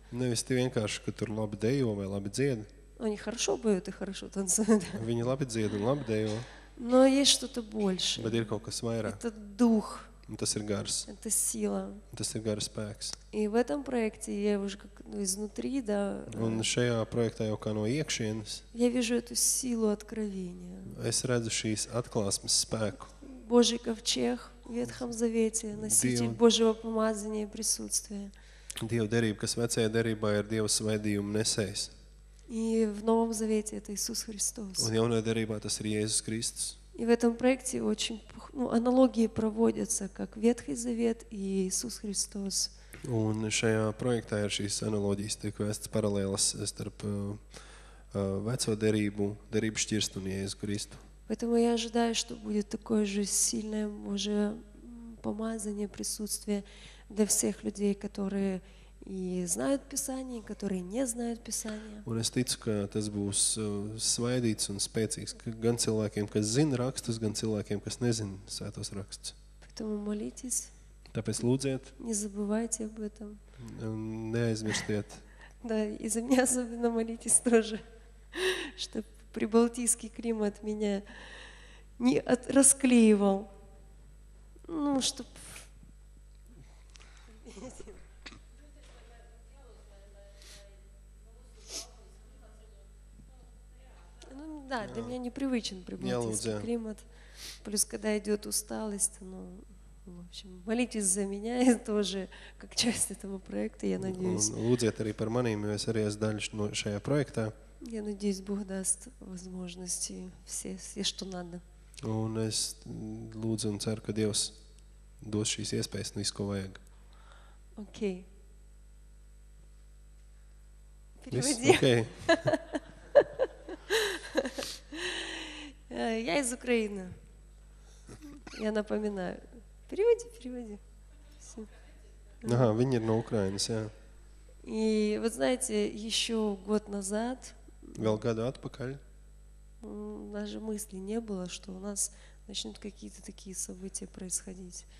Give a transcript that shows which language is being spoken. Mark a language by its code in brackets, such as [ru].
[ru] Не просто потому, что там хорошо поют, хорошо танцуют. Они хорошо поют и хорошо танцуют. Они хорошо поют и хорошо танцуют. Но есть что-то больше. [lv] Bet ir kaut kas vairāk. [ru] Это дух. [lv] Un tas ir gars. [ru] Это сила. [lv] Un tas ir gara spēks. [ru] И в этом проекте я уже как, ну, изнутри, да. [lv] Un šajā projektā jau kā no iekšienes. [ru] Я вижу эту силу откровения. [lv] Es redzu šīs atklāsmes spēku. [ru] Божий ковчег в Ветхом Завете, носитель Божьего помазания и присутствия. [lv] Dieva derība, kas vecajā derībā ir Dieva svaidījuma nesējs. [ru] И в Новом Завете это Иисус Христос. [lv] Un jaunajā derībā tas ir Jēzus Kristus. [ru] И в этом проекте очень, ну, аналогии проводятся, как Ветхий Завет и Иисус Христос. [lv] Un šajā projektā ir šīs analogijas, tiek vēstas paralēlas starp veco derību, derību šķirstu un Jēzus Kristu. [ru] Поэтому я ожидаю, что будет такое же сильное Божие помазание, присутствие для всех людей, которые и знают Писание, которые не знают Писание. [lv] Un es ticu, ka tas būs svaidīts un spēcīgs gan cilvēkiem, kas zina rakstus, gan cilvēkiem, kas nezina svētos rakstus. [ru] Поэтому молитесь. [lv] Tāpēc lūdziet. [ru] Не забывайте об этом. [lv] Neaizmirstiet. [ru] Да, и за меня особенно молитесь тоже, чтобы прибалтийский Крым от меня не расклеивал. Ну, чтоб... Да, для меня непривычен прибалтийский климат. Плюс, когда идет усталость, ну, в общем, молитесь за меня тоже, как часть этого проекта, я надеюсь. [lv] Лудзет arī par mani, jo es arī esmu daļa no šajā projektā. [ru] Я надеюсь, Бог даст возможности все, все, что надо. [lv] Un es lūdzu un ceru, ka Dievs dos šīs iespējas un visu, ko vajag. [en] Okay. [ru] Переведи. Okay. Я из Украины. Я напоминаю. Переводи, переводи. [lv] Ага, viņi ir no Ukrainas, jā. [ru] И вот знаете, еще год назад, [lv] vēl gadu atpakaļ, [ru] даже мысли не было, что у нас начнут какие-то такие события происходить.